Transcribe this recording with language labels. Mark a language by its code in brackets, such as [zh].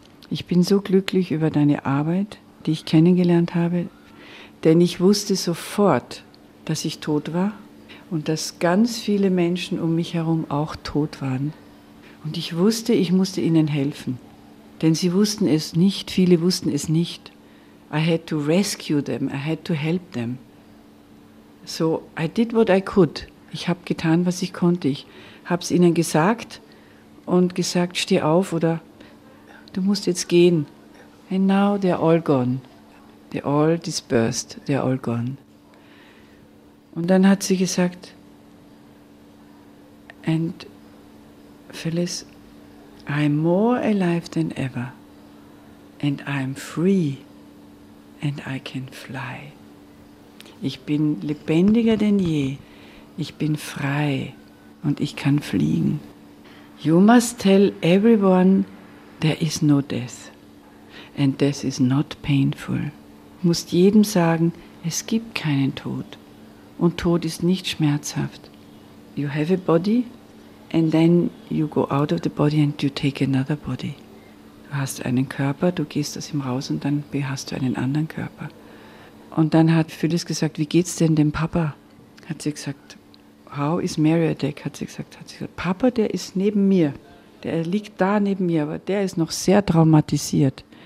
[de] Ich bin so glücklich über deine Arbeit, die ich kennengelernt habe, denn ich wusste sofort, dass ich tot war und dass ganz viele Menschen um mich herum auch tot waren. Und ich wusste, ich musste ihnen helfen, denn sie wussten es nicht, viele wussten es nicht. [en] I had to rescue them, I had to help them. So I did what I could. [de] Ich habe getan, was ich konnte. Ich habe es ihnen gesagt und gesagt, steh auf oder du musst jetzt gehen. [en] And now they're all gone. They're all dispersed, they're all gone. [de] Und dann hat sie gesagt, [en] and Phyllis, I'm more alive than ever, and I'm free, and I can fly. [de] Ich bin lebendiger denn je, ich bin frei, und ich kann fliegen. [en] You must tell everyone, there is no death, and death is not painful. [de] musst jedem sagen, es gibt keinen Tod. Und Tod ist nicht schmerzhaft. [en] You have a body and then you go out of the body and you take another body. [de] Du hast einen Körper, du gehst aus ihm raus und dann hast du einen anderen Körper. Und dann hat Phyllis gesagt, wie geht's denn dem Papa? Hat sie gesagt, [en] how is Mary Adek? [de] Hat sie gesagt, Papa, der ist neben mir. Der liegt da neben mir, aber der ist noch sehr traumatisiert.